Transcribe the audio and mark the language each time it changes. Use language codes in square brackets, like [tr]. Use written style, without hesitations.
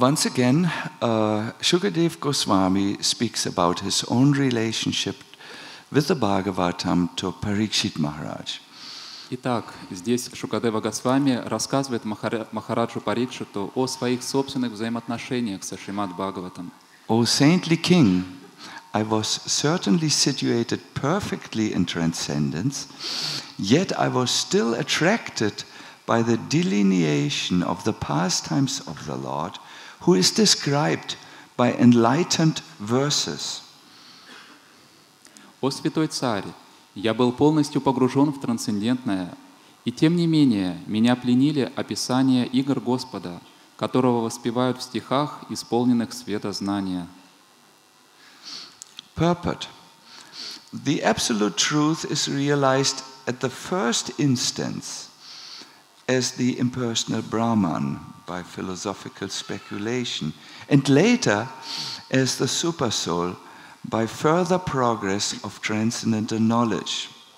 [en] Once again, Shukadev Goswami speaks about his own relationship with the Bhagavatam to Parikshit Maharaj. [ru] Итак, здесь Шукадева Госвами рассказывает Махараджу Парикшиту о своих собственных взаимоотношениях со Шримад Бхагаватам. [en] O saintly king, I was certainly situated perfectly in transcendence, yet I was still attracted by the delineation of the pastimes of the Lord, who is described by enlightened verses. [ru] О святой царь, я был полностью погружен в трансцендентное, и тем не менее меня пленили описания игр Господа, которого воспевают в стихах, исполненных света знания. [en] Purport. The absolute truth is realized at the first instance as the impersonal Brahman by philosophical speculation, and later as the supersoul by further progress of transcendental knowledge.